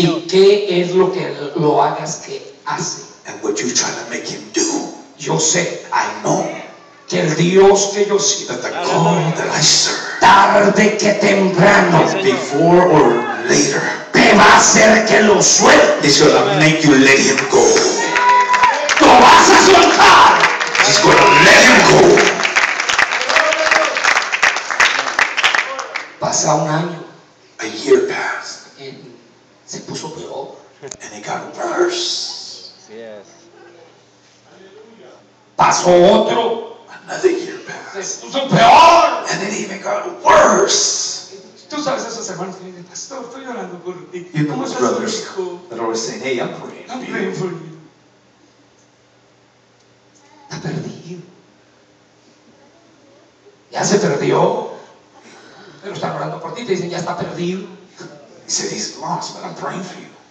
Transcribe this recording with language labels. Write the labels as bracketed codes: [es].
[es] Y qué es lo que lo hagas que hace. [en] And what you try to make him do. [es] Yo sé, [en] I know, [es] que el Dios que yo sirvo, [en] that the God that I serve, [es] tarde que temprano, [en] before or later, [es] te va a hacer que lo suelte. [en] He's gonna make you let him go. [es] Lo vas a soltar. [en] He's gonna let him go. [es] Pasa un año. [en] A year passed. [es] Y se puso peor. [en] And it got worse. Yes. [es] Pasó otro. [en] Another year passed. [es] Se puso peor. [en] And it even got worse. [es] ¿Tú sabes esos hermanos que dicen, pastor, estoy orando por ti? [en] You know those brothers that are always saying, hey, I'm praying for you. I'm praying for you. [es] Está perdido. Ya se perdió. Pero están orando por ti. Te dicen, ya está perdido. [en] He said, he's lost, but I'm praying for you.